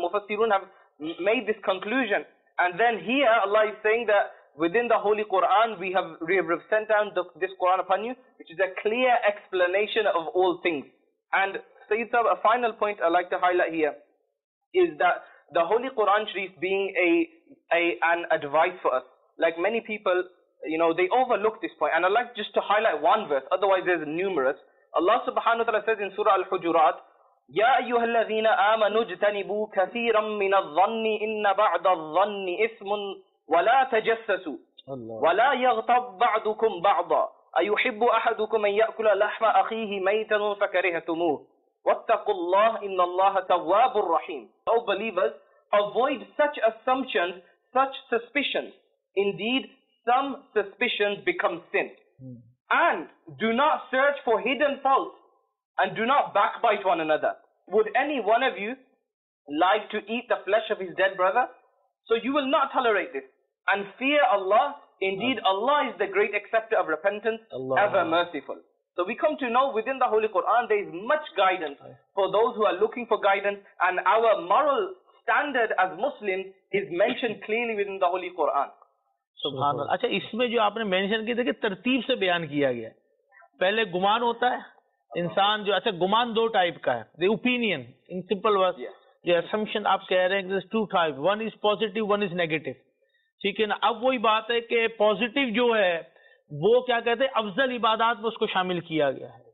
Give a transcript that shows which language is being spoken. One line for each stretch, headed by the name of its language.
English: Mufassirun have made this conclusion. And then here Allah is saying that within the Holy Quran we have sent down this Quran upon you, which is a clear explanation of all things. And Sayyid Sahib, a final point I'd like to highlight here is that the Holy Quran Sharif being an advice for us, like many people, you know, they overlook this point. And I'd like just to highlight one verse, otherwise there's numerous. Allah subhanahu wa ta'ala says in Surah Al-Hujurat,
Arabic: يَا أَيُّهَا الَّذِينَ آمَنُوا اجْتَنِبُوا كَثِيرًا مِّنَ الظَّنِّ إِنَّ بَعْدَ الظَّنِّ إِثْمٌ وَلَا تَجَسَّسُوا وَلَا يَغْتَبْ بَعْضُكُمْ بَعْضًا أَيُحِبُّ أَحَدُكُمْ أَن يَأْكُلَ لَحْمَ أَخِيهِ مَيْتًا فَكَرِهْتُمُوهُ وَاتَّقُوا اللَّهَ إِنَّ اللَّهَ تَوَّابٌ رَّحِيمٌ.
English: O believers, avoid such assumptions, such suspicions. Indeed, some suspicions become sin. And do not search for hidden faults, and do not backbite one another. Would any one of you like to eat the flesh of his dead brother? So you will not tolerate this. And fear Allah. Indeed, Allah is the great acceptor of repentance, ever merciful. So we come to know within the Holy Quran, there is much guidance for those who are looking for guidance. And our moral standard as Muslims is mentioned clearly within the Holy Quran.
Hindi: सुभानअल्लाह. अच्छा, इसमें जो आपने mention की देखिए तरतीब से बयान किया गया है. पहले गुमान होता है इंसान जो, अच्छा गुमान दो टाइप का है,
English: the opinion in simple words,
Hindi: जो असम्पशन आप कह रहे हैं,
English: Two type, one is positive one is negative.
Hindi: ठीक है ना. अब वही बात है कि पॉजिटिव जो है वो क्या कहते हैं, अफजल इबादत में उसको शामिल किया गया है.